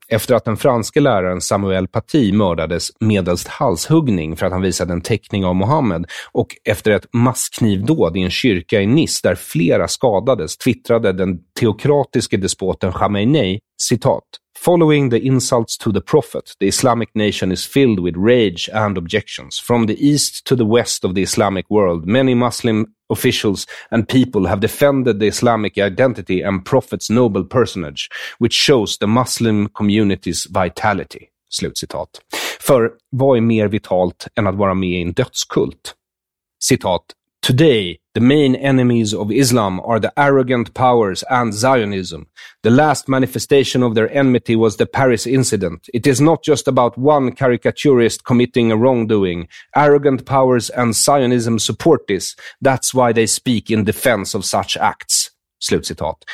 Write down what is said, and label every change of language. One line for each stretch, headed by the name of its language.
Swedish: Efter att den franske läraren Samuel Paty mördades medelst halshuggning för att han visade en teckning av Mohammed och efter ett massknivdåd i en kyrka i Nice där flera skadades, twittrade den teokratiske despoten Khamenei, citat,
English: "Following the insults to the prophet, the Islamic nation is filled with rage and objections. From the east to the west of the Islamic world, many Muslim officials and people have defended the Islamic identity and prophet's noble personage, which shows the Muslim community's vitality."
Swedish: Slutcitat. För vad är mer vitalt än att vara med i en dödskult? Citat,
English: "Today, the main enemies of Islam are the arrogant powers and Zionism. The last manifestation of their enmity was the Paris incident. It is not just about one caricaturist committing a wrongdoing. Arrogant powers and Zionism support this. That's why they speak in defense of such acts."
Swedish: Slutcitat.